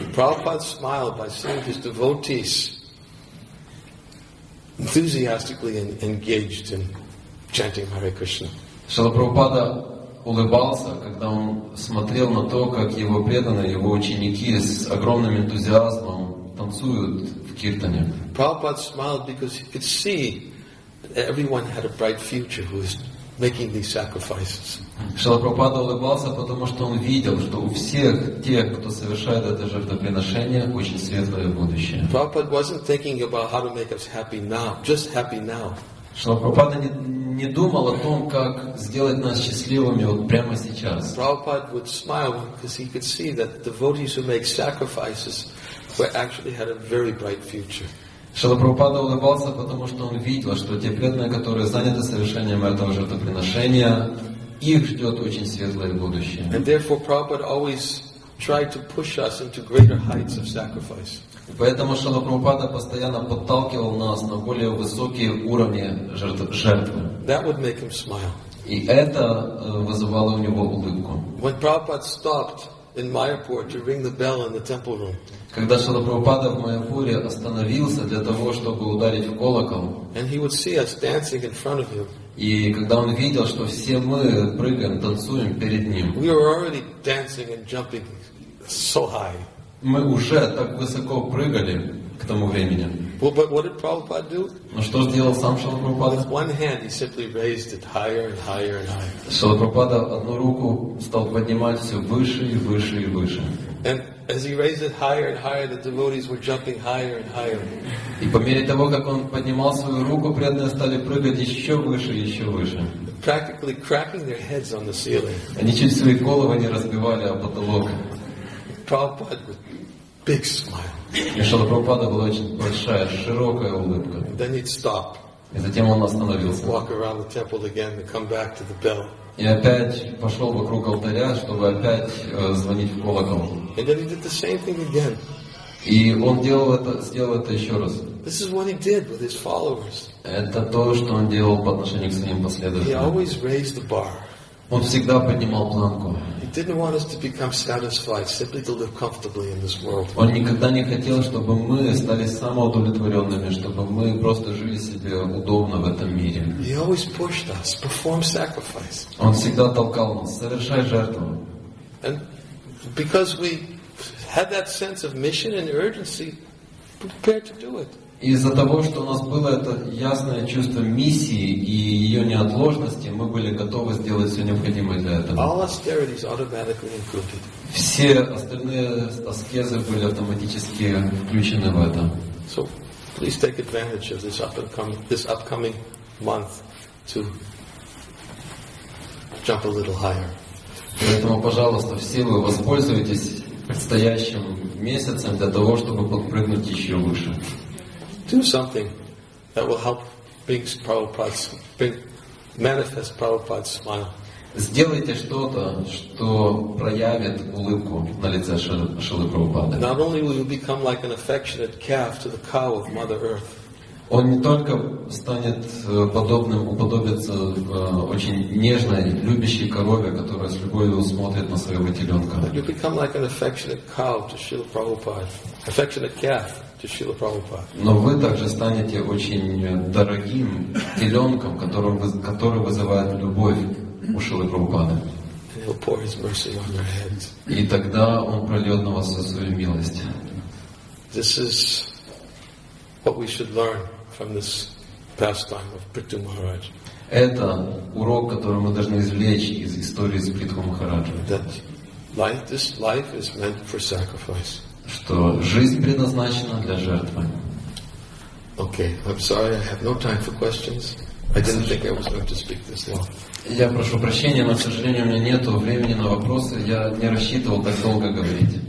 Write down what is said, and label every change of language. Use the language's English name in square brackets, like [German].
[English] Prabhupada smiled by seeing his devotees enthusiastically engaged in chanting Hare Krishna. [Russian] Шрила Прабхупада улыбался, когда он смотрел на то, как его преданные, его ученики с огромным энтузиазмом танцуют в киртане. [English] Prabhupada smiled because he could see that everyone had a bright future who was making these sacrifices. [Russian] Шрила Прабхупада улыбался, потому что он видел, что у всех тех, кто совершает это жертвоприношение, очень светлое будущее. [English] Prabhupada wasn't thinking about how to make us happy now, just happy now. [Russian] Шрила Прабхупада не думал о том, как сделать нас счастливыми вот прямо сейчас. [English] Prabhupada would smile because he could see that the devotees who make sacrifices were actually had a very bright future. [Russian] Шрила Прабхупада улыбался, потому что он видел, что те преданные, которые заняты совершением этого жертвоприношения, их ждет очень светлое будущее. [English] And therefore, Prabhupada always tried to push us into greater heights of sacrifice. [Russian] Поэтому Шрила Прабхупада постоянно подталкивал нас на более высокие уровни жертвы. [English] That would make him smile. [Russian] И это вызывало у него улыбку. [English] When Prabhupada stopped in Mayapur to ring the bell in the temple room. [Russian] Когда Шрила Прабхупада в Майяпуре остановился для того, чтобы ударить в колокол. [English] And he would see us dancing in front of him. [Russian] И когда он видел, что все мы прыгаем, танцуем перед ним. [English] We were already dancing and jumping so high. [Russian] Мы уже так высоко прыгали к тому времени. [English] Well, but what did Prabhupada do? [Russian] Но что сделал сам Шрила Прабхупада? [English] With one hand, he simply raised it higher and higher and higher. [Russian] Шрила Прабхупада одну руку стал поднимать все выше и выше и выше. [English] And as he raised it higher and higher, the devotees were jumping higher and higher. [Russian] И по мере того, как он поднимал свою руку, преданные стали прыгать еще выше и еще выше. [English] Practically cracking their heads on the ceiling. [Russian] Они чуть свои головы не разбивали о потолок. [English] Prabhupada with a big smile. [Russian] И Шрила Прабхупада была очень большая, широкая улыбка. [English] Then he'd stop. [Russian] И затем он остановился. [English] Walk around the temple again to come back to the bell. [Russian] И опять пошел вокруг алтаря, чтобы опять звонить в колокол. [English] And then he did the same thing again. [Russian] И он сделал это еще раз. [English] This is what he did with his followers. [Russian] Это то, что он делал по отношению к своим последователям. [English] He always raised the bar. [Russian] Он всегда поднимал планку. [English] He didn't want us to become satisfied simply to live comfortably in this world. [Russian] Он никогда не хотел, чтобы мы стали самоудовлетворенными, чтобы мы просто жили себе удобно в этом мире. [English] He always pushed us, perform sacrifice. [Russian] Он всегда толкал нас, совершай жертву. [English] And because we had that sense of mission and urgency, prepared to do it. [Russian] Из-за того, что у нас было это ясное чувство миссии и ее неотложности, мы были готовы сделать все необходимое для этого. [English] All austerities automatically included. [Russian] Все остальные аскезы были автоматически включены в это. [English] So, please take advantage of this upcoming month to jump a little higher. [Russian] Поэтому, пожалуйста, все вы воспользуйтесь предстоящим месяцем для того, чтобы подпрыгнуть еще выше. [English] Do something that will help manifest Prabhupada's smile. [Russian] Сделайте что-то, что проявит улыбку на лице Шрилы Прабхупады. [English] Not only will you become like an affectionate calf to the cow of Mother Earth. [Russian] Он не только станет подобным, уподобится очень нежной, любящей корове, которая с любовью смотрит на своего теленка. [English] You become like an affectionate calf to Shrila Prabhupada. Affectionate calf. to Śrīla Prabhupāda. [Russian] Но вы также станете очень дорогим теленком, который вызывает любовь у Шрилы Прабхупады. [English] He'll pour his mercy on your heads. [Russian] И тогда он прольет на вас свою милость. [English] This is what we should learn from this pastime of Prithu Maharaj. [Russian] Это урок, который мы должны извлечь из истории с Притху Махараджа. [English] That life, this life is meant for sacrifice. [Russian] Что жизнь предназначена для жертвы. [English] Okay, I'm sorry, I have no time for questions. I didn't think I was going to speak this long. [Russian] Я прошу прощения, но, к сожалению, у меня нет времени на вопросы. Я не рассчитывал так долго говорить.